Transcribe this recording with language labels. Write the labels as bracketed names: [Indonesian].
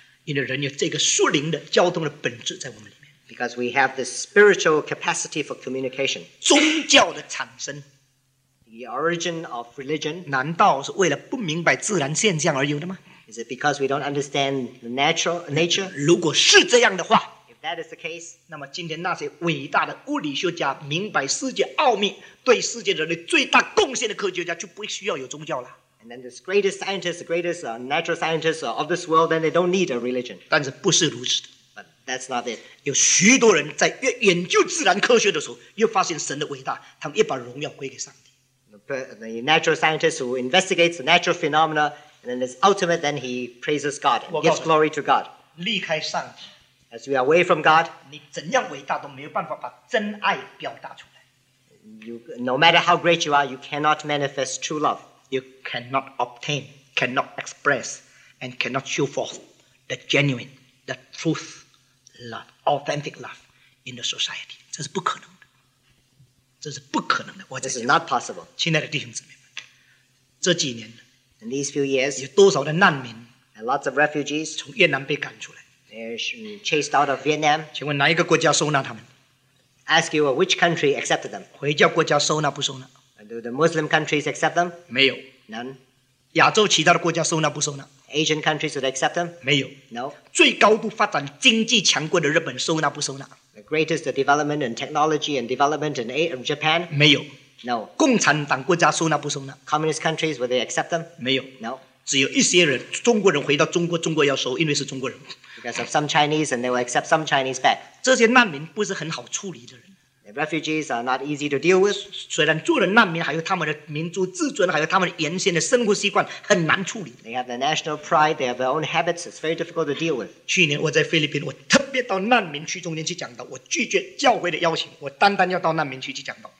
[Chinese] 因为人有这个属灵的交通的本质在我们里面。 [English] Because we have the spiritual capacity for communication. [Chinese] 宗教的产生。 [English] The origin of religion. [Chinese] 难道是为了不明白自然现象而有的吗？ [English] Is it because we don't understand the nature? [Chinese] 如果是这样的话， [English] if that is the case. [Chinese] 那么今天那些伟大的物理学家明白世界奥秘，对世界人类最大贡献的科学家就不需要有宗教了。 [English] And then the greatest scientists, the greatest natural scientists of this world, then they don't need a religion. [Chinese] 但是不是如此的。 [English] But that's not it. [Chinese] 有许多人在越研究自然科学的时候，又发现神的伟大，他们又把荣耀归给上帝。 [English] The natural scientist who investigates the natural phenomena, and then it's ultimate, then he praises God, gives glory to God. [Chinese] 离开上帝。 [English] As we are away from God, [Chinese] 你怎样伟大都没有办法把真爱表达出来。 [English] You, no matter how great you are, you cannot manifest true love. You cannot obtain, cannot express, and cannot show forth the genuine, the truth, love, authentic love in the society. [Chinese] 这是不可能的。这是不可能的。我在 [English] 想。This is not possible. [Chinese] 亲爱的弟兄姊妹们，这几年 [English] In these few years, [Chinese] 有多少的难民 [English] and lots of refugees [Chinese] 从越南被赶出来。 [English] Chased out of Vietnam. [Chinese] 请问哪一个国家收纳他们？ [English] Ask you, which country accepted them? [Chinese] 回教国家收纳不收纳？ [English] Do the Muslim countries accept them? [Chinese] 没有。 [English] None. [Chinese] 亚洲其他的国家收纳不收纳？ [English] Asian countries, do they accept them? [Chinese] 没有。 [English] No. [Chinese] 最高度发展经济强国的日本收纳不收纳？ [English] The greatest development in technology and development in Japan? [Chinese] 没有。 [English] No. [Chinese] 共产党国家收纳不收纳？ [English] Communist countries, will they accept them? [Chinese] 没有。 [English] No. [Chinese] 只有一些人，中国人回到中国，中国要收，因为是中国人。 [English] Because of some Chinese, and they will accept some Chinese back. [Chinese] 这些难民不是很好处理的人。 [English] The refugees are not easy to deal with. [Chinese] 虽然做了难民，还有他们的民族自尊，还有他们原先的生活习惯，很难处理。 [English] They have their national pride, they have their own habits. It's very difficult to deal with. [Chinese] 去年我在菲律宾，我特别到难民区中间去讲道，我拒绝教会的邀请，我单单要到难民区去讲道。